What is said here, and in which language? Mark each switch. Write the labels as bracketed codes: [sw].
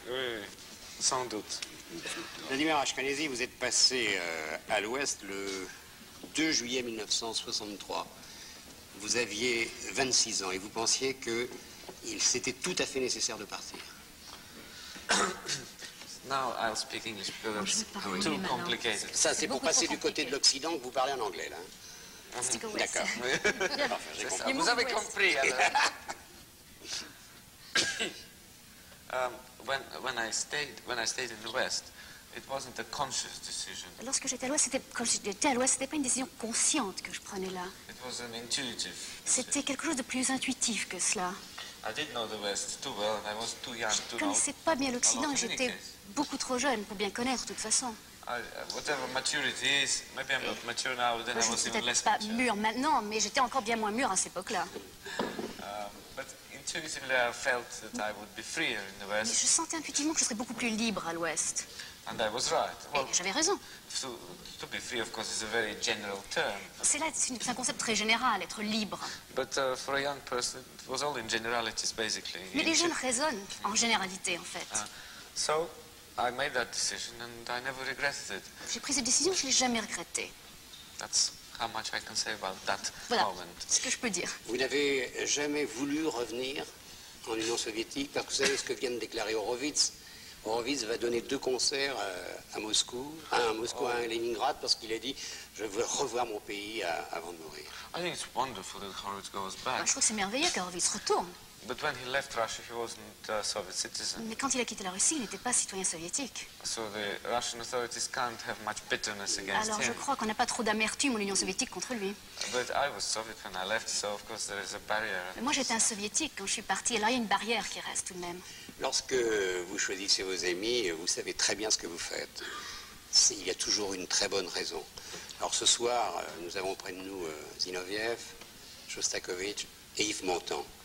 [fr] Oui, sans doute. Vladimir Ashkenazy, vous êtes passé à l'Ouest le 2 juillet 1963. Vous aviez 26 ans et vous pensiez que c'était tout à fait nécessaire de partir. [en] Now I'll speak English because it's too complicated. [fr] Ça, c'est pour passer du côté de l'Occident que vous parlez en anglais, là. D'accord. Enfin, vous avez compris. Alors. [en] when I stayed in the West, it wasn't a conscious decision. [fr] Lorsque j'étais à l'Ouest, c'était pas une décision consciente que je prenais là. [en] It was an intuitive. [fr] C'était quelque chose de plus intuitif que cela. [en] I didn't know the West too well, and I was too young to know. [fr] Je connaissais pas bien l'Occident, j'étais beaucoup trop jeune pour bien connaître, de toute façon. [en] Whatever maturity is, maybe I'm not mature now, then I was even less mature. [fr] Mûr maintenant, mais j'étais encore bien moins mûr à cette époque-là. [en] But intuitively I felt that I would be freer in the West. [fr] Mais je sentais intuitivement que je serais beaucoup plus libre à l'Ouest. [en] And I was right. [fr] Well, et j'avais raison. [en] To be free, of course, is a very general term. [fr] C'est un concept très général, être libre. [en] But for a young person, it was all in generalities, basically. [fr] Mais les jeunes raisonnent en généralité, en fait. [en] So I made that decision and I never regretted it. [fr] J'ai pris cette décision, je l'ai jamais regretté. [en] That's how much I can say about that [fr] voilà [en] moment. [fr] Voilà, ce que je peux dire. Vous n'avez jamais voulu revenir en Union soviétique, parce que vous savez ce que vient de déclarer Horowitz. Horowitz va donner deux concerts à Moscou, à Leningrad, parce qu'il a dit je veux revoir mon pays avant de mourir. [en] I think it's wonderful that Horowitz goes back. [fr] Je trouve que c'est merveilleux que Horowitz retourne. [en] But when he left Russia, he wasn't a Soviet citizen. [fr] Mais quand il a quitté la Russie, il n'était pas citoyen soviétique. [en] So the Russian authorities can't have much bitterness against [fr] alors, [en] him. [fr] Je crois qu'on n'a pas trop d'amertume en Union soviétique contre lui. [en] But I was Soviet when I left, so of course there is a barrier. [fr] Mais moi, j'étais un soviétique quand je suis parti, et là, il y a une barrière qui reste tout de même. Lorsque vous choisissez vos amis, vous savez très bien ce que vous faites. Il y a toujours une très bonne raison. Alors ce soir, nous avons auprès de nous Zinoviev, Shostakovich et Yves Montand.